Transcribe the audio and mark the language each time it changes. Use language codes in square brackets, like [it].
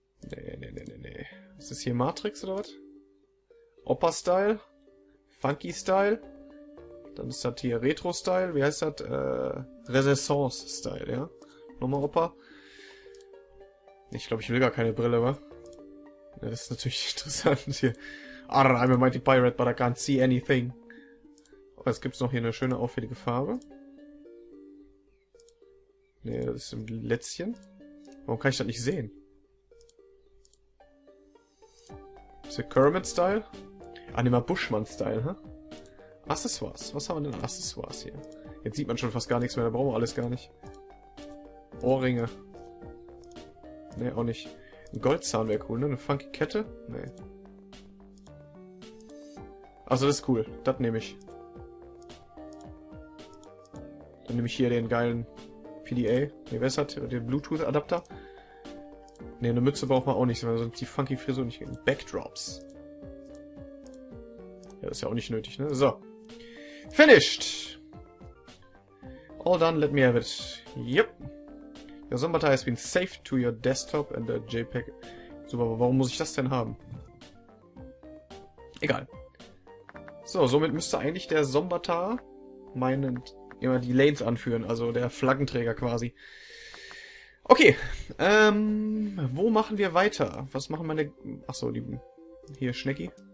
[de] Nee. Ist das hier Matrix oder was? Opa-Style? Funky-Style? Dann ist das hier Retro-Style? Wie heißt das? Renaissance-Style, ja? Nochmal Opa. Ich glaube, ich will gar keine Brille, wa? Ja, das ist natürlich interessant hier. [en] I'm a mighty pirate, but I can't see anything. [de] Aber jetzt gibt es noch hier eine schöne, auffällige Farbe. Nee, das ist ein Lätzchen. Warum kann ich das nicht sehen? Ist das Kermit-Style? Ah, nehmen wir Bushman-Style, hä? Huh? Accessoires. Was haben wir denn Accessoires hier? Jetzt sieht man schon fast gar nichts mehr, da brauchen wir alles gar nicht. Ohrringe. Nee, auch nicht. Ein Goldzahn wäre cool, ne? Eine funky Kette? Nee. Also das ist cool. Das nehme ich. Dann nehme ich hier den geilen PDA. Nee, wer ist das? Den Bluetooth-Adapter? Nee, eine Mütze brauchen wir auch nicht, weil sonst die funky Frisur nicht geht. Backdrops. Ja, das ist ja auch nicht nötig, ne? [en] So. Finished! All done, let me have it. Yep. Your Zombata has been saved to your desktop and the JPEG. [de] Super, aber warum muss ich das denn haben? Egal. So, somit müsste eigentlich der Zombata meinen immer die Lanes anführen, also der Flaggenträger quasi. Okay, wo machen wir weiter? Was machen meine... Achso, lieben. Hier, Schnecki.